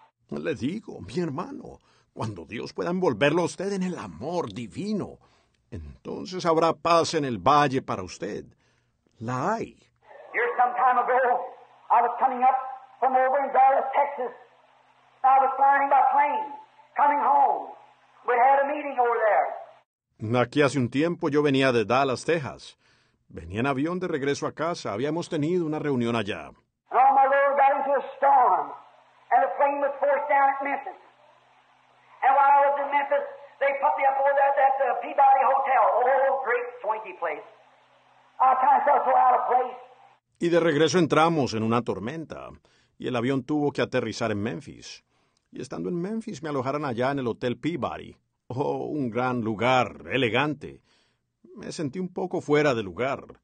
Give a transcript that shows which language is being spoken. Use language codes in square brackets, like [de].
[es] Le digo, mi hermano, cuando Dios pueda envolverlo a usted en el amor divino, entonces habrá paz en el valle para usted. La hay. [en] Here some time ago, I was coming up from over in Dallas, Texas. I was flying by plane, coming home. We had a meeting over there. [es] Aquí hace un tiempo yo venía de Dallas, Texas. Venía en avión de regreso a casa. Habíamos tenido una reunión allá. [en] And all my Lord got into a storm, and the plane was forced down at Memphis. And while I was in Memphis, they put me up over there at the Peabody Hotel, old, great, swanky place. I kind of felt so out of place. [es] Y de regreso entramos en una tormenta, y el avión tuvo que aterrizar en Memphis. Y estando en Memphis, me alojaron allá en el Hotel Peabody. Oh, un gran lugar, elegante. Me sentí un poco fuera de lugar.